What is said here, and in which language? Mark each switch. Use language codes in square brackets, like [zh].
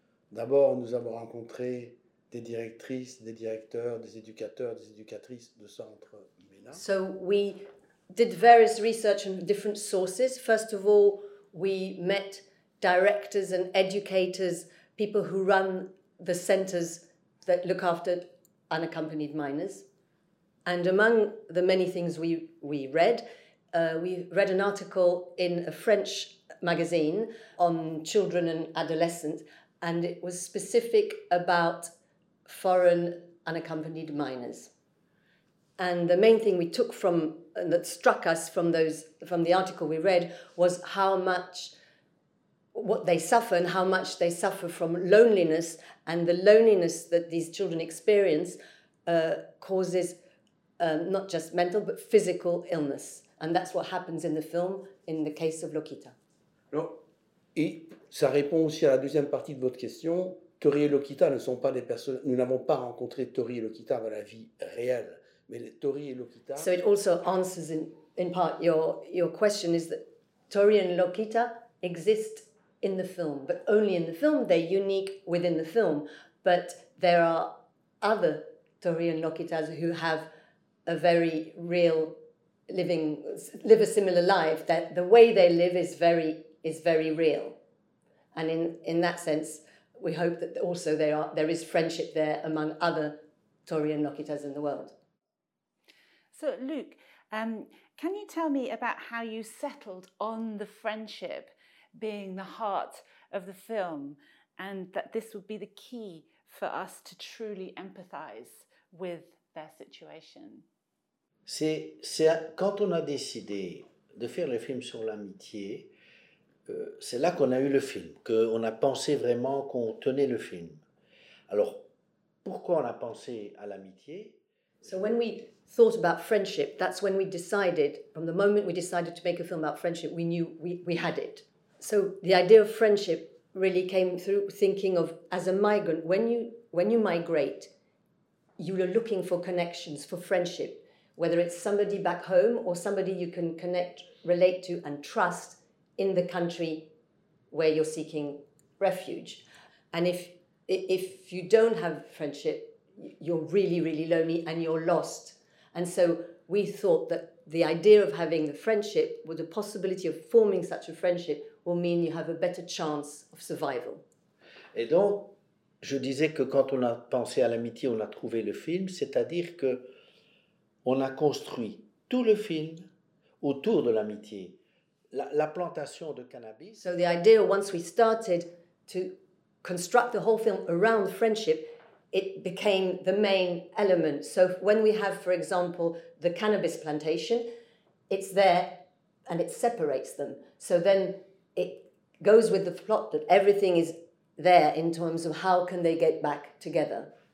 [fr] D'abord, nous avons rencontré des directrices, des directeurs, des éducateurs, des éducatrices de centres MENA. [en] So we did various research and different sources. First of all, we met directors and educators, people who run the centers that look after unaccompanied minors. And among the many things we read an article in a French magazine on children and adolescents, and it was specific about foreign unaccompanied minors. And the main thing we took from, and that struck us from the article we read, was how much they suffer from loneliness, and the loneliness that these children experience causes not just mental but physical illness. And that's what happens in the film in the case of Lokita. [fr] Non. Et ça répond aussi à la deuxième partie de votre question. Tori et Lokita ne sont pas des personnes. Nous n'avons pas rencontré Tori et Lokita dans la vie réelle, mais Tori et Lokita. [en] So it also answers in part your question is that Tori and Lokita exist in the film, but only in the film. They're unique within the film, but there are other Tori and Lokitas who have a very real live a similar life. That the way they live is very real, and in that sense we hope that also there is friendship there among other Torian Lokitas in the world. So, Luke, can you tell me about how you settled on the friendship being the heart of the film, and that this would be the key for us to truly empathize with their situation? [fr] C'est quand on a décidé de faire le film sur l'amitié, c'est là qu'on a eu le film, qu'on a pensé vraiment qu'on tenait le film. Alors, pourquoi on a pensé à l'amitié? [en] So when we thought about friendship, that's when we decided, from the moment we decided to make a film about friendship, we knew we had it. So the idea of friendship really came through thinking of, as a migrant, when you migrate, you are looking for connections, for friendship, whether it's somebody back home or somebody you can connect, relate to and trust in the country where you're seeking refuge. And if you don't have friendship, you're really, really lonely and you're lost. And so we thought that the idea of having a friendship, with the possibility of forming such a friendship, will mean you have a better chance of survival. [fr] Et donc, je disais que quand on a pensé à l'amitié, on a trouvé le film, c'est-à-dire que on a construit tout le film autour de l'amitié. La plantation de cannabis. [en] So the idea, once we started to construct the whole film around friendship, it became the main element. So when we have, for example, the cannabis plantation, it's there and it separates them. So then it goes with the plot that everything is there in terms of how can they get back together.